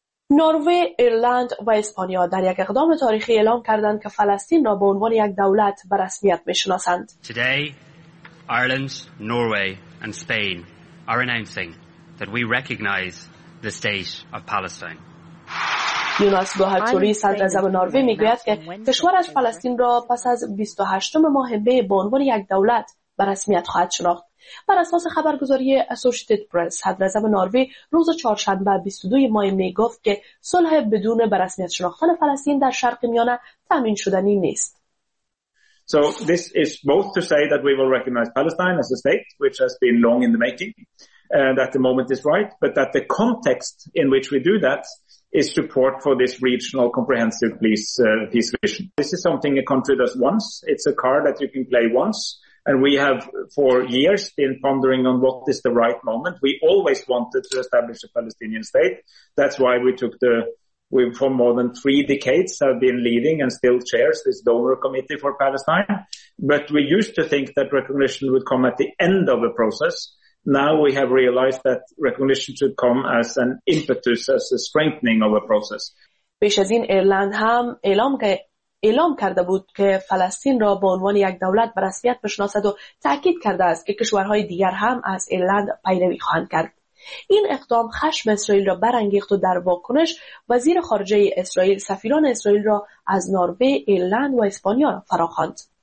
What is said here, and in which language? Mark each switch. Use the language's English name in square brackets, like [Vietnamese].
[Persian] نروژ، ایرلند و اسپانیا در یک اقدام تاریخی اعلام کردند که فلسطین را به عنوان یک دولت به رسمیت می‌شناسند. [English] Today, Ireland, Norway and Spain are announcing that we recognize the state of Palestine. [Persian] یوناس گوهرتوری صدر اعظم نروژ می‌گوید که کشورش فلسطین را پس از 28 ماه به عنوان یک دولت به رسمیت خواهد شناخت. بر اساس خبرگزاری اسوشیتد پرس، صدر اعظم ناروی روز چهارشنبه 22 مه می گفت که صلح بدون به رسمیت شناختن فلسطین در شرق میانه تضمین شدنی نیست. [English] So this is both to say that we will recognize Palestine as a state, which has been long in the making, and that the moment is right, but that the context in which we do that is support for this regional comprehensive peace vision. This is something a country does once. It's a card that you can play once. And we have for years been pondering on what is the right moment. We always wanted to establish a Palestinian state. That's why we took the We for more than three decades have been leading and still chairs this donor committee for Palestine. But we used to think that recognition would come at the end of the process. Now we have realized that recognition should come as an impetus, as a strengthening of a process. [Persian] پیش از این ایرلند هم اعلام کرده بود که فلسطین را به عنوان یک دولت به رسمیت بشناسد و تاکید کرده است که کشورهای دیگر هم از ایرلند پیروی خواهند کرد. این اقدام خشم اسرائیل را برانگیخت و در واکنش وزیر خارجه اسرائیل سفیران اسرائیل را از نروژ، ایرلند و اسپانیا فراخواند.